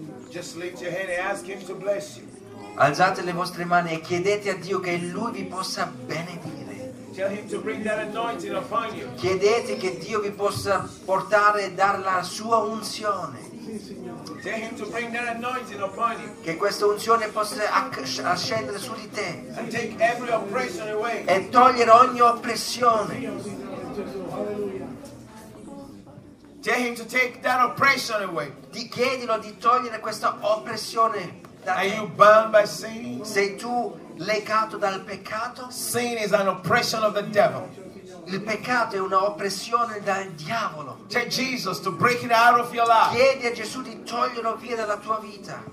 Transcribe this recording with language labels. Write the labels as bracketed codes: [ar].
[en] Just lift your hand and ask him to bless you. [it] Alzate le vostre mani e chiedete a Dio che lui vi possa benedire. [en] Tell him to bring that anointing upon you. [it] Chiedete che Dio vi possa portare e dare la sua unzione. [en] Tell him to bring that anointing upon you. [it] Che questa unzione possa ascendere su di te. [en] And take every oppression away. [it] E togliere ogni oppressione. [en] Tell him to take that oppression away. [it] Chiedilo di togliere questa oppressione da te. [en] Are you bound by sin? [it] Sei tu legato dal peccato? [en] Sin is an oppression of the devil. [it] Il peccato è una oppressione dal diavolo. [en] Tell Jesus to break it out of your life. [it] Chiedi a Gesù di toglierlo via dalla tua vita.